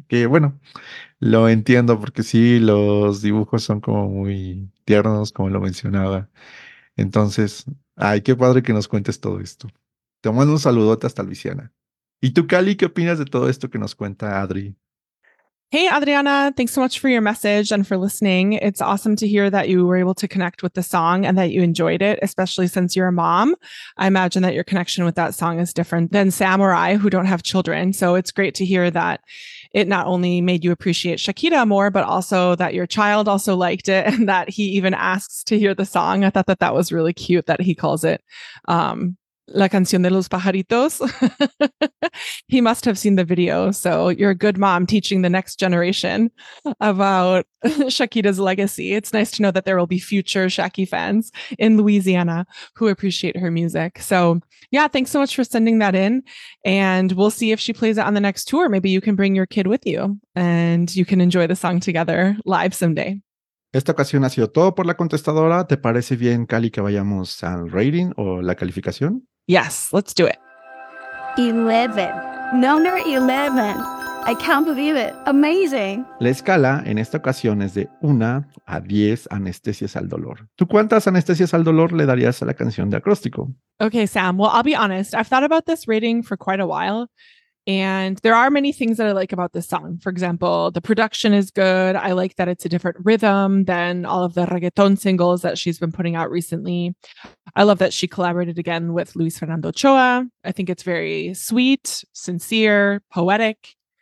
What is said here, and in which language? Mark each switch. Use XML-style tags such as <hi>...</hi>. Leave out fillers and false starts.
<es>Que bueno, lo entiendo porque sí, los dibujos son como muy tiernos, como lo mencionaba. Entonces, ay, qué padre que nos cuentes todo esto. Te mando un saludote hasta Luisiana. ¿Y tú, Cali, qué opinas de todo esto que nos cuenta Adri?</es> <en>Hey, Adriana, thanks so much for your message and for listening. It's awesome to hear that you were able to connect with the song and that you enjoyed it, especially since you're a mom. I imagine that your connection with that song is different than Sam or I, who don't have children. So it's great to hear that it not only made you appreciate Shakira more, but also that your child also liked it and that he even asks to hear the song. I thought that that was really cute that he calls it La Canción de los Pajaritos. He must have seen the video. So you're a good mom teaching the next generation about Shakira's legacy. It's nice to know that there will be future Shaki fans in Louisiana who appreciate her music. So yeah, thanks so much for sending that in. And we'll see if she plays it on the next tour. Maybe you can bring your kid with you and you can enjoy the song together live someday.</en> <es>Esta ocasión ha sido todo por la contestadora. ¿Te parece bien, Cali, que vayamos al rating o la calificación?</es> <en>Yes, let's do it. 11. Number 11. I can't believe it. Amazing.</en> <es>La escala en esta ocasión es de 1 a 10 anestesias al dolor. ¿Tú cuántas anestesias al dolor le darías a la canción de acróstico?</es> <en>Okay, Sam. Well, I'll be honest. I've thought about this rating for quite a while. And there are many things that I like about this song. For example, the production is good. I like that it's a different rhythm than all of the reggaeton singles that she's been putting out recently. I love that she collaborated again with Luis Fernando Ochoa. I think it's very sweet, sincere, poetic.</en>